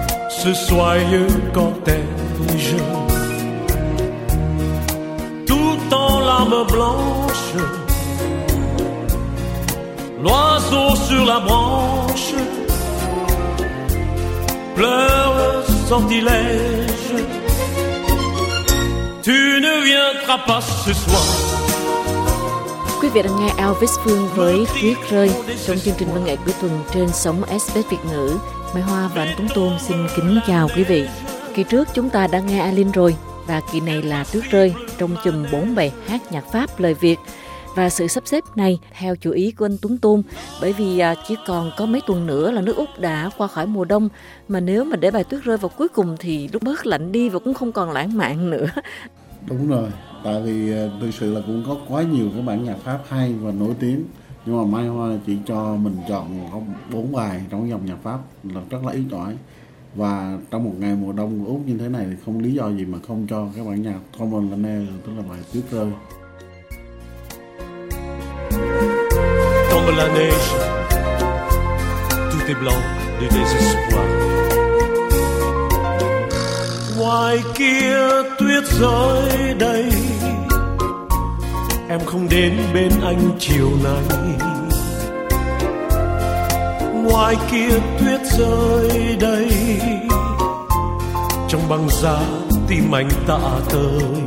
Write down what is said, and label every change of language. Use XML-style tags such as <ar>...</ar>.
<fr>Ce soyeux cortège, tout en larmes blanches. L'oiseau sur la branche pleure sortilège. Tu ne viendras pas ce soir.</fr> <vi>Quý vị đang nghe Elvis Phương với Tuyết Rơi trong chương trình văn nghệ cuối tuần trên sóng SBS Việt ngữ. Mai Hoa và anh Tuấn Tôn xin kính chào quý vị. Kỳ trước chúng ta đã nghe Alin rồi, và kỳ này là Tuyết Rơi trong chùm 4 bài hát nhạc Pháp lời Việt. Và sự sắp xếp này theo chủ ý của anh Tuấn Tôn, bởi vì chỉ còn có mấy tuần nữa là nước Úc đã qua khỏi mùa đông, mà nếu mà để bài Tuyết Rơi vào cuối cùng thì lúc bớt lạnh đi và cũng không còn lãng mạn nữa. Đúng rồi, tại vì thực sự là cũng có quá nhiều cái bản nhạc Pháp hay và nổi tiếng, nhưng mà Mai Hoa chỉ cho mình chọn có 4 bài trong dòng nhạc Pháp là rất là ít ỏi. Và trong một ngày mùa đông của Úc như thế này thì không lý do gì mà không cho cái bản nhạc Tombe la Neige, tức là bài Tuyết Rơi.</vi> <fr>Tombe la neige, tout est blanc de désespoir.</fr> <vi>Ngoài kia tuyết rơi đây, em không đến bên anh chiều nay. Ngoài kia tuyết rơi đây, trong băng giá tim anh tạ tơi.</vi>